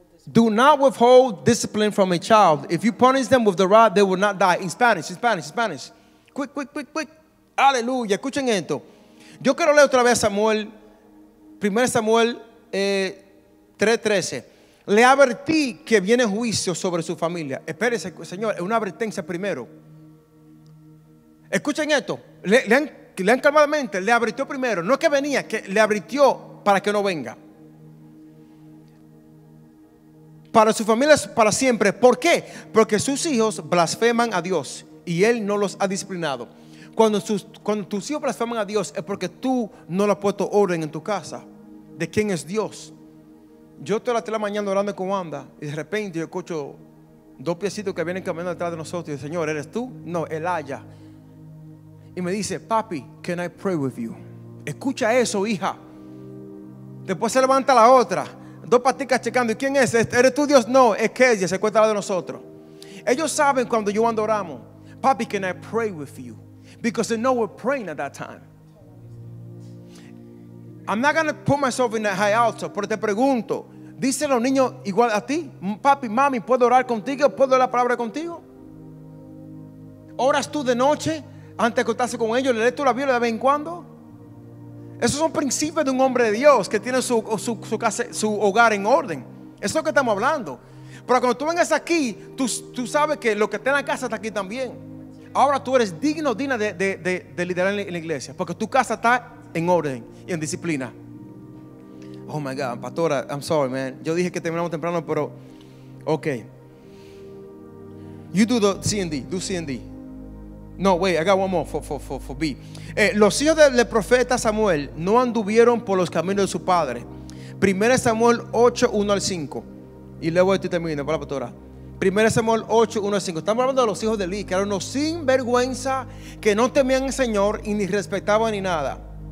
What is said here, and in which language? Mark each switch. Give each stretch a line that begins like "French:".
English: Do not withhold discipline from a child. If you punish them with the rod, they will not die. In Spanish, in Spanish, in Spanish.
Spanish: Quick, quick, quick, quick. Aleluya. Escuchen esto. Yo quiero leer otra vez Samuel, 1 Samuel 3:13. Le advertí que viene juicio sobre su familia. Espérense, señor, es una advertencia primero. Escuchen esto. Lean calmadamente. Le advirtió primero. No es que venía, que le advirtió para que no venga. Para su familia es para siempre. ¿Por qué? Porque sus hijos blasfeman a Dios y él no los ha disciplinado. Cuando tus hijos blasfeman a Dios, es porque tú no le has puesto orden en tu casa. ¿De quién es Dios? Yo estoy a la mañana orando con Wanda y de repente yo escucho dos piecitos que vienen caminando detrás de nosotros y dice: Señor, ¿eres tú? No, Elaya. Y me dice: papi,
English: can I pray with you?
Spanish: Escucha eso, hija. Después se levanta la otra. Dos paticas checando. ¿Y quién es? ¿Eres tú Dios? No, es que ella se cuenta de nosotros. Ellos saben cuando yo ando oramos. Papi,
English: can I pray with you? Because they know we're praying at that time. I'm not going to put myself in a high altar,
Spanish: pero te pregunto. ¿Dicen los niños igual a ti? Papi, mami, ¿puedo orar contigo? ¿Puedo dar la palabra contigo? ¿Oras tú de noche antes de acostarse con ellos? ¿Le lees tú la Biblia de vez en cuando? Esos son principios de un hombre de Dios que tiene su casa, su hogar en orden. Eso es lo que estamos hablando. Pero cuando tú vengas aquí, tú sabes que lo que está en la casa está aquí también. Ahora tú eres digno, digna de liderar en la iglesia, porque tu casa está en orden y en disciplina.
English: Oh my God, pastora, I'm sorry, man.
Spanish: Yo dije que terminamos temprano, pero ok.
English: You do the C&D, do C&D. No, wait, I got one more for B.
Spanish: Los hijos del profeta Samuel no anduvieron por los caminos de su padre. 1 Samuel 8:1 al 5. Y luego estoy terminando para la pastora. 1 Samuel 8:1 al 5. Estamos hablando de los hijos de Eli, que eran unos sinvergüenza, que no temían al Señor y ni respetaban ni nada.